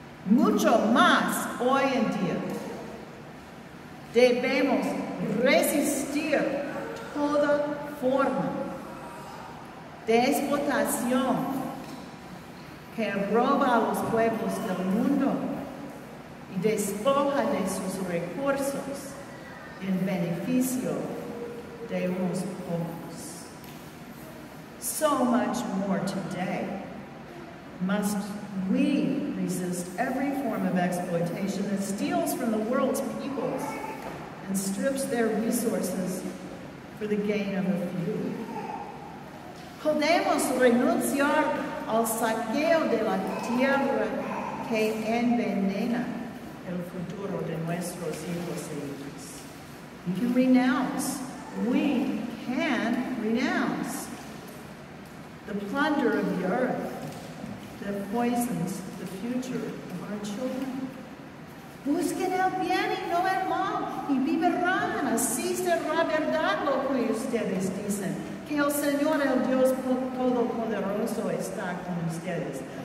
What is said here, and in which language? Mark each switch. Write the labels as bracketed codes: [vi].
[es] Mucho más hoy en día debemos resistir toda forma de explotación que roba a los pueblos del mundo y despoja de sus recursos en beneficio de unos pocos. [en] So much more today must we resist every form of exploitation that steals from the world's peoples and strips their resources for the gain of a few. [es] Podemos renunciar al saqueo de la tierra que envenena el futuro de nuestros hijos e hijas. [en] We can renounce. We can renounce the plunder of the earth that poisons the future of our children. [es] Busquen el bien y no el mal y vivirán. Así será verdad lo que ustedes dicen. Que el Señor, el Dios Todopoderoso, está con ustedes.